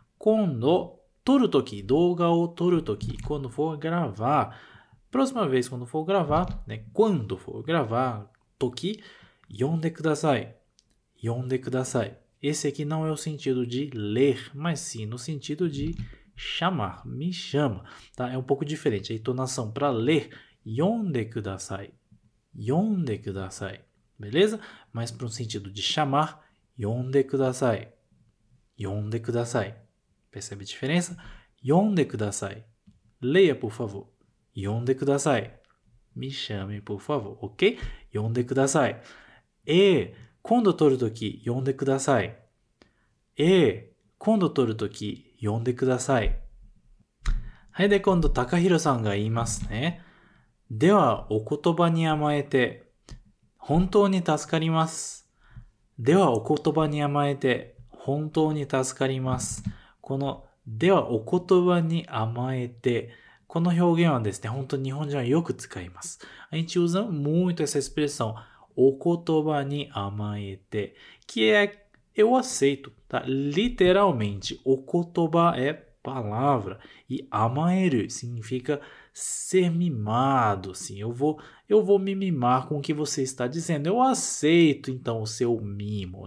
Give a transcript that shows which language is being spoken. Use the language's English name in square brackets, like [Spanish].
[Japanese] 今度取るとき、動画を取るとき、 [Portuguese] quando for gravar。 próxima vez、quando for gravar、ね、quando for gravar、 [Japanese] とき、呼んでください。呼んでください。 [Portuguese] Esse aqui não é o sentido de ler, mas sim no sentido de chamar, me chama, tá? É um pouco diferente, a entonação para ler, [Japanese] yonde kudasai, yonde kudasai, [Portuguese] beleza? Mas para o sentido de chamar, [Japanese] yonde kudasai, yonde kudasai, [Portuguese] percebe a diferença? [Japanese] Yonde kudasai, [Portuguese] leia por favor, yonde kudasai, me chame por favor, ok? Yonde kudasai. E, quando [Japanese] toru toki, yonde kudasai. [Portuguese] E, quando [Japanese] toru toki, 呼んでください。はい、で、今度、TAKAHIRO さんが言いますね。では、お言葉に甘えて、本当に助かります。では、お言葉に甘えて、本当に助かります。この、では、お言葉に甘えて、この表現はですね、本当に日本人はよく使います。 [Portuguese] A gente usa muito essa expressão、 [Japanese] お言葉に甘えて、 [Portuguese] que é、eu aceito. Tá? Literalmente, o kotoba é palavra. E amaeru significa ser mimado. Assim, eu vou me mimar com o que você está dizendo. Eu aceito, então, o seu mimo.